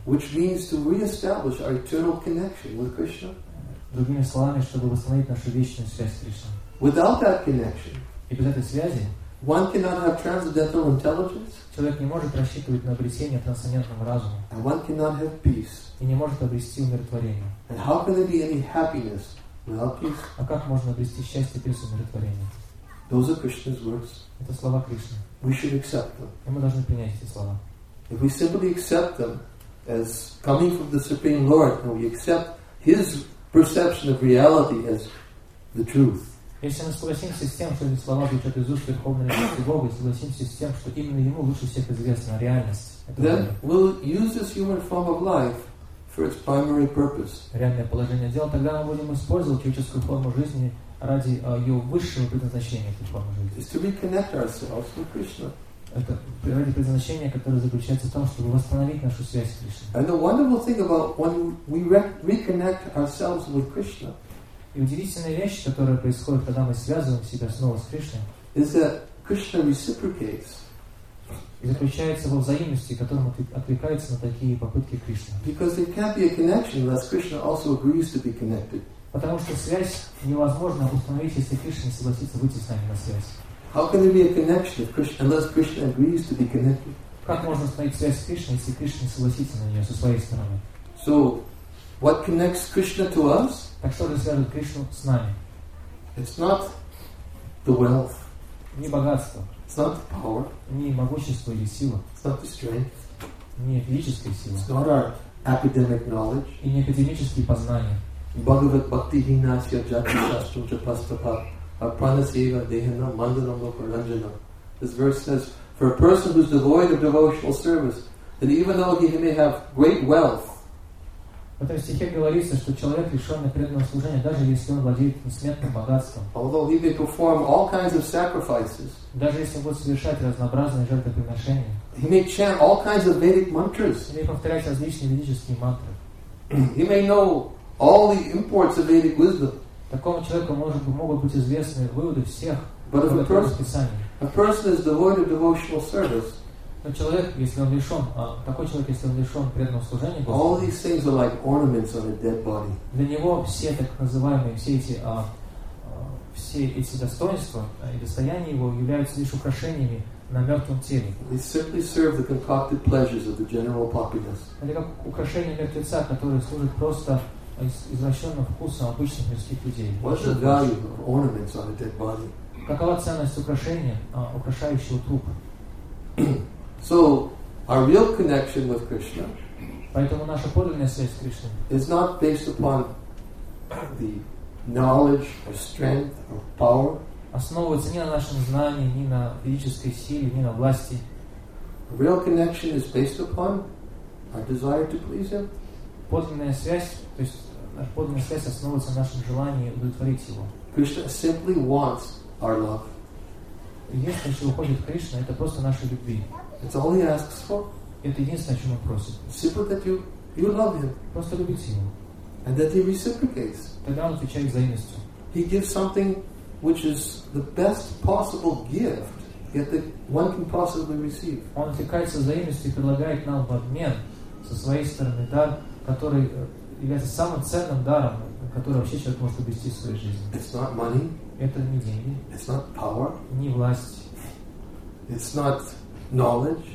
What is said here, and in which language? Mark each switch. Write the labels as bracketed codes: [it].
[en] which means to re-establish our eternal connection with Krishna, [ru] Другими словами, чтобы восстановить нашу вечную связь с Кришной. [en] Without that connection, [ru] и без этой связи, [en] one cannot have transcendental intelligence. [ru] Человек не может рассчитывать на обретение трансцендентного разума. [en] And one cannot have peace. [ru] И не может обрести умиротворение. [en] And how can there be any happiness without peace? [ru] А как можно обрести счастье без умиротворения? [en] Those are Krishna's words. [ru] Это слова Кришны. [en] We should accept them. [ru] И мы должны принять эти слова. [en] If we simply accept them as coming from the Supreme Lord, and we accept His perception of reality as the truth. [ru] Если мы согласимся с тем, что эти слова звучат из уст Верховной Личности Бога, и согласимся с тем, что именно Ему лучше всех известна реальность, [en] then we'll use this human form of life for its primary purpose. [ru] Реальное положение дела, тогда мы будем использовать человеческую форму жизни ради ее высшего предназначения, этой формы жизни. [en] Is to reconnect ourselves with Krishna. [ru] Это ради предназначения, которое заключается в том, чтобы восстановить нашу связь с Кришной. [en] And the wonderful thing about when we reconnect ourselves with Krishna. [ru] И удивительная вещь, которая происходит, когда мы связываем себя снова с Кришной, [en] is that Krishna reciprocates. [ru] И заключается во взаимности, которым отвлекается на такие попытки Кришны. [en] Because there can't be a connection unless Krishna also agrees to be connected. [ru] Потому что связь невозможно установить, если Кришна согласится выйти с нами на связь. [en] How can there be a connection unless Krishna agrees to be connected? [ru] Как можно установить связь с Кришной, если Кришна согласится на нее со своей стороны? [en] So, what connects Krishna to us? [ru] Так что же связывает Кришну с нами? [en] It's not the wealth. [ru] Не богатство. [en] It's not the power. [ru] Не могущество или сила. [en] It's not the strength. [ru] Не физическая сила. [en] It's not our academic knowledge. [ru] И не академические познания. [sa] Bhagavat Bhakti Vinasya Jati Shastram Chapastapa Apranasiva Dehana Mandalam Lokaranjanam. [en] This verse says, for a person who is devoid of devotional service, that even though he may have great wealth, [ru] в этом стихе говорится, что человек, лишенный преданного служения, даже если он владеет несметным богатством, [en] although he may perform all kinds of sacrifices, [ru] даже если он будет совершать разнообразные жертвоприношения, [en] he may chant all kinds of Vedic mantras, [ru] или повторять различные ведические мантры, [en] he may know all the imports of Vedic wisdom, [ru] такому человеку могут быть известны выводы всех, [en] but if a person is devoid of devotional service, [ru] но человек, если он лишен, такой человек, если он лишен преданного служения, Господу, [en] all these things are like ornaments on a dead body. [ru] Для него все так называемые, все эти достоинства и достояния его являются лишь украшениями на мертвом теле. [en] They simply serve the concocted pleasures of the general populace. [ru] Это как украшение мертвеца, которое служит просто извращенным вкусом обычных мирских людей. [en] What's the value of ornaments on a dead body? [ru] Какова ценность украшения, украшающего труп? [en] So our real connection with Krishna, [ru] поэтому наша подлинная связь с Кришной, [en] is not based upon the knowledge or strength or power, [ru] основывается не на нашем знании, не на физической силе, не на власти. [en] Real connection is based upon our desire to please Him. [ru] Подлинная связь, то есть наша подлинная связь основывается на нашем желании удовлетворить Его. [en] Krishna simply wants our love. [ru] Единственное, что уходит Кришна, это просто наша любви. [en] It's all he asks for. [ru] Это единственное, о чем он просит. [en] Simple that you love him. [ru] Просто любите его. [en] And that he reciprocates. [ru] Тогда он отвечает взаимностью. [en] He gives something which is the best possible gift yet that one can possibly receive. [ru] Он отвлекается взаимностью и предлагает нам в обмен со своей стороны дар, который является самым ценным даром, который вообще человек может обрести в своей жизни. [en] It's not money. [ru] Это не деньги. [en] It's not power. [ru] Не власть. [en] It's not knowledge,